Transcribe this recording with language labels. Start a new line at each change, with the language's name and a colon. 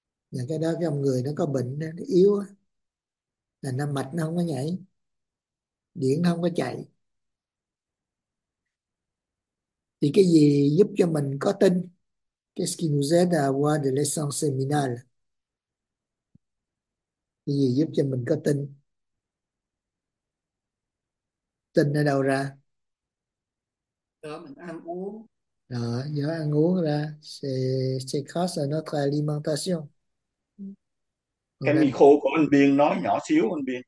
Vietnamese: Là cái đó trong người nó có bệnh, nó yếu á, là nó mạch nó không có nhảy, điện nó không có chạy. Thì cái gì giúp cho mình có tinh?
French: Qu'est-ce qui nous aide à avoir de l'essence séminale?
Vietnamese: Cái gì giúp cho mình có tinh? Tinh ở đâu ra? Đó, mình ăn uống. Đó, do ăn uống ra.
French: C'est grâce à notre alimentation.
Vietnamese: Còn Cái ăn micro của anh Biên nói nhỏ xíu, anh Biên.